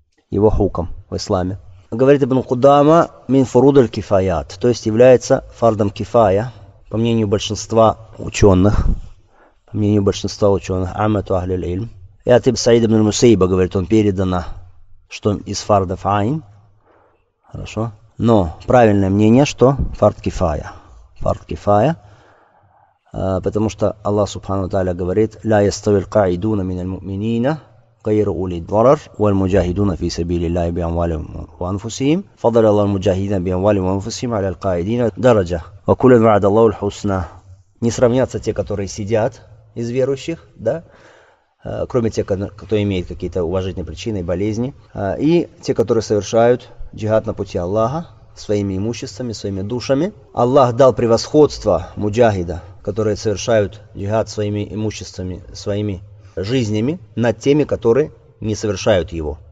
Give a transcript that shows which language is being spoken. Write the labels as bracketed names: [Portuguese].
[Russian] Его хукм в исламе. Говорит ибн Кудама: [Arabic] «Мин фурудаль кифаят», [Russian] то есть является фардом кифая, по мнению большинства ученых. По мнению большинства ученых, [Arabic] амату ахлил ильм. [Russian] И от ибн Саид ибн Мусейба, говорит, он передано, что из фардов айн. Хорошо. Но правильное мнение, что фард кифая. Фард кифая. Потому что Аллах субхану тааля говорит: [Arabic] «Ля яставил каидуна миналь муминина غيره أولي الضرر والمجاهدون في سبيل الله بأموالهم وأنفسهم فضل الله المجاهدين بأموالهم وأنفسهم على القاعدين درجة وكل وعد الله الحسنى». [Russian] Не сравнятся те, которые сидят из верующих, да, кроме тех, кто имеет какие-то уважительные причины и болезни, и те, которые совершают джихад на пути Аллаха своими имуществами, своими душами. Аллах дал превосходство муджахида, которые совершают джихад своими имуществами, своими жизнями, над теми, которые не совершают его.